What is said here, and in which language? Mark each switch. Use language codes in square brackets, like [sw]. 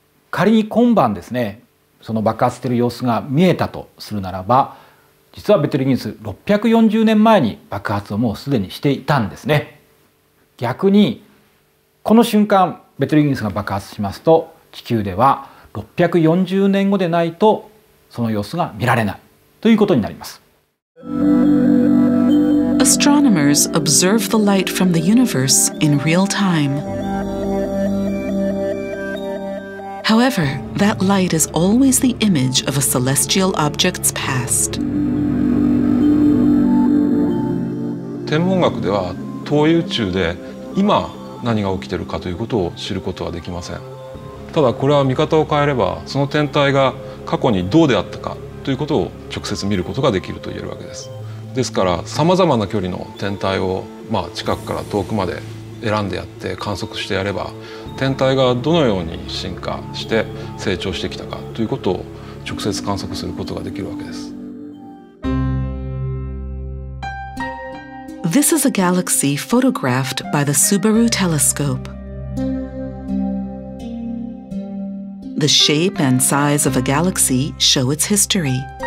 [ja] 仮に今晩ですね、その爆発している様子が見えたとするならば、実はベテルギウス640年前に爆発をもうすでにしていたんですね。逆にこの瞬間ベテルギウスが爆発しますと、地球では640年後でないとその様子が見られないということになります。 [en] Astronomers observe the light from the universe in real time. However, that light is always the image of a celestial object's past. [ja] 天文学では遠い宇宙で今何が起きているかということを知ることはできません。ただこれは見方を変えれば、その天体が過去にどうであったかということを直接見ることができると言えるわけです。ですから、さまざまな距離の天体を、まあ近くから遠くまで選んでやって観測してやれば、天体がどのように進化して成長してきたかということを直接観測することができるわけです。 [en] This is a galaxy photographed by the Subaru telescope. The shape and size of a galaxy show its history.